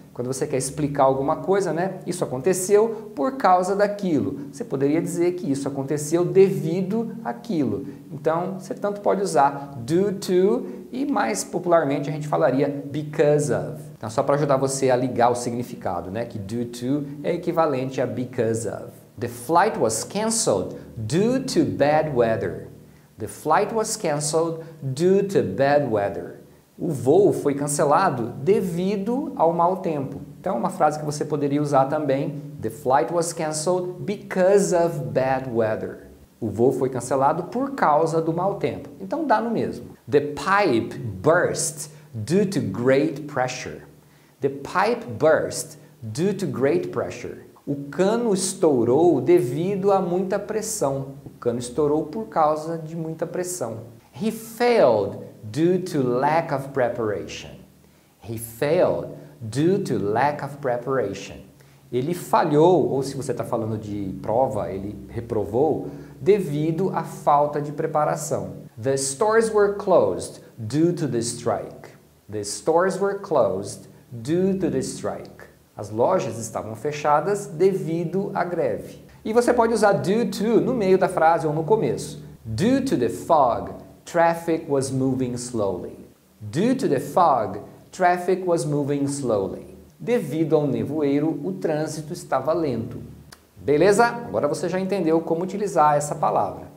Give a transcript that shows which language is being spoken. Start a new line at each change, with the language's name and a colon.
Portuguese: Quando você quer explicar alguma coisa, né? Isso aconteceu por causa daquilo. Você poderia dizer que isso aconteceu devido àquilo. Então você tanto pode usar due to e mais popularmente a gente falaria because of. Então só para ajudar você a ligar o significado, né? Que due to é equivalente a because of.
English: The flight was canceled due to bad weather. The flight was canceled due to bad weather.
Portuguese: O voo foi cancelado devido ao mau tempo. Então é uma frase que você poderia usar também.
English: The flight was canceled because of bad weather.
Portuguese: O voo foi cancelado por causa do mau tempo. Então dá no mesmo.
English: The pipe burst due to great pressure. The pipe burst due to great pressure.
Portuguese: O cano estourou devido a muita pressão. O cano estourou por causa de muita pressão.
English: He failed due to lack of preparation. He failed due to lack of preparation.
Portuguese: Ele falhou, ou se você está falando de prova, ele reprovou, devido à falta de preparação.
English: The stores were closed due to the strike. The stores were closed due to the strike.
Portuguese: As lojas estavam fechadas devido à greve. E você pode usar due to no meio da frase ou no começo.
English: Due to the fog, traffic was moving slowly. Due to the fog, traffic was moving slowly.
Portuguese: Devido ao nevoeiro, o trânsito estava lento. Beleza? Agora você já entendeu como utilizar essa palavra.